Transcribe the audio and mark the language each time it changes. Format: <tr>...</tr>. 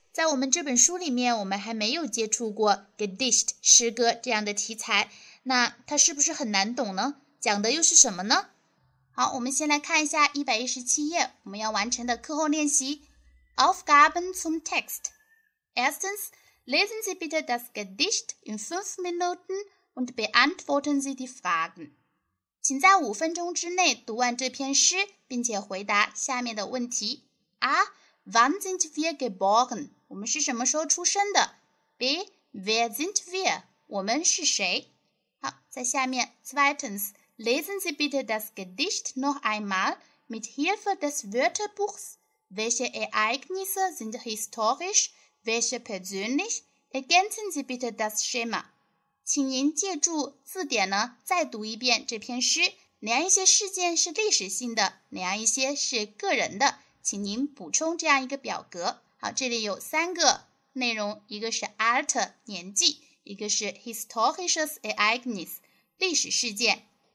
<zh>在我们这本书里面，我们还没有接触过 Gedicht 诗歌这样的题材，那它是不是很难懂呢？讲的又是什么呢？好，我们先来看一下117页我们要完成的课后练习</zh> <de>Aufgaben zum Text。 Erstens, lesen Sie bitte das Gedicht in 5 Minuten und beantworten Sie die Fragen.</de> <zh>请在5分钟之内读完这篇诗并且回答下面的问题。</zh> <de>A. Wann sind wir geboren?</de> <zh>我们是什么时候出生的？ B.</zh> <de>Wer sind wir?</de> <zh>我们是谁？好，在下面。</zh> <de>Zweitens, lesen Sie bitte das Gedicht noch einmal mit Hilfe des Wörterbuchs. Welche Ereignisse sind historisch? Welche persönlich? Ergänzen Sie bitte das Schema.</de> <zh>请您借助字典呢，再读一遍这篇诗。哪样一些事件是历史性的，哪样一些是个人的，请您补充这样一个表格。好，这里有三个内容，一个是 Alter 年纪，一个是 historisches Ereignis 历史事件。</zh>